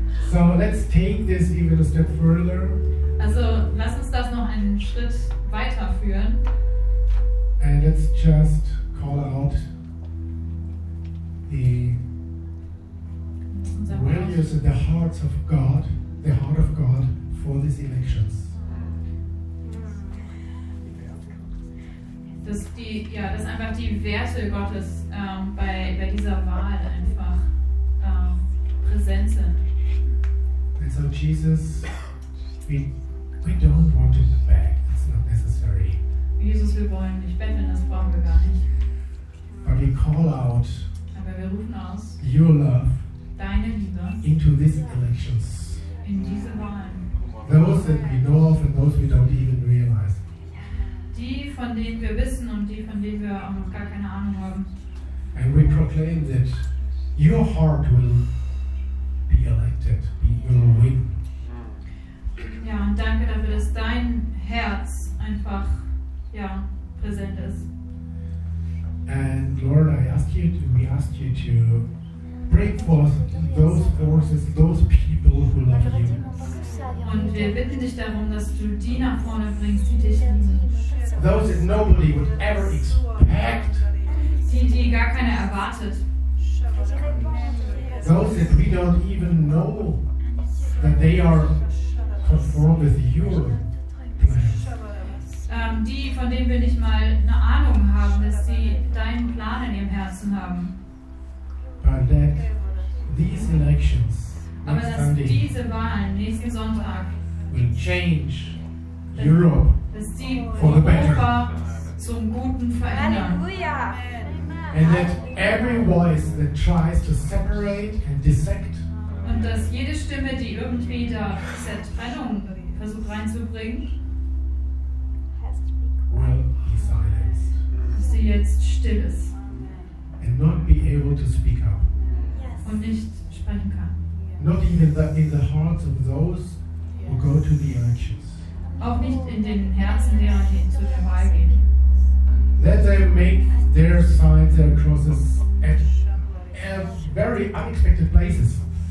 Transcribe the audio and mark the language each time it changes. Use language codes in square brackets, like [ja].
[en] So let's take this even a step further. [de] Also lass uns das noch einen Schritt weiterführen. [en] And let's just call out the values and the hearts of God, the heart of God. For these elections. [de] Dass die, ja, dass einfach die Werte Gottes bei dieser Wahl einfach präsent sind. [en] And so Jesus We don't want to beg. It's not necessary. [de] Jesus, wir wollen nicht betteln, das brauchen wir gar nicht. [en] But we call out. [de] Aber wir rufen aus. [en] Your love. [de] Deine Liebe. [en] Into these elections. [de] In diese Wahlen. [en] Those that we know of and those we don't even realize. [de] Die, von denen wir wissen und die, von denen wir auch noch gar keine Ahnung haben. [en] And we proclaim that your heart will be elected, be your win. [de] Ja, und danke dafür, dass dein Herz einfach, ja, präsent ist. [en] And Lord, we ask you to break forth those forces, those people who love you. [de] Und wir bitten dich darum, dass du die nach vorne bringst, die dich lieben. [en] Those that nobody would ever expect. [de] Die gar keiner erwartet. [en] Those that we don't even know that they are conformed with your plan. [de] Die, von denen wir nicht mal eine Ahnung haben, dass sie deinen Plan in ihrem Herzen haben. [en] But that these elections, [de] aber dass diese Wahlen nächsten Sonntag [en] will change Europe, [de] dass die [en] for the better. [de] Europa zum Guten verändern. Halleluja! [en] And that every voice that tries to separate and dissect, [de] und dass jede Stimme, die irgendwie da Zertrennung versucht reinzubringen, [en] will be silenced. [de] Dass sie jetzt still ist. [en] And not be able to speak up. [de] Yes. Und nicht sprechen kann. [en] Not even in the hearts of those who go to the elections. [de] Auch nicht in den Herzen derer, die zu der Wahl gehen. [en] That they make their signs, their crosses at very unexpected places.